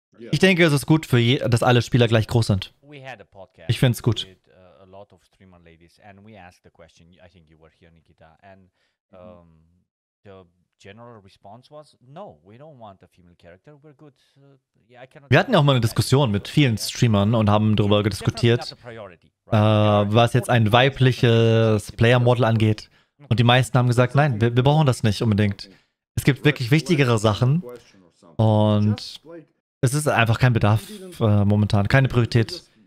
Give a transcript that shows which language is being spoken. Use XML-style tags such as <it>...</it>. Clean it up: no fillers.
<de>Ich denke, es ist gut, dass alle Spieler gleich groß sind. Ich finde es gut.</de> <en>Of streamer ladies, and we asked the question. I think you were here, Nikita, and the general response was no, we don't want a female character, we're good. Yeah, I cannot.</en> <de>Wir hatten auch mal eine Diskussion mit vielen Streamern und haben darüber diskutiert, was jetzt ein weibliches Player Model angeht, und die meisten haben gesagt, nein, wir brauchen das nicht unbedingt. Es gibt wirklich wichtigere Sachen, und es ist einfach kein Bedarf momentan, keine Priorität.</de>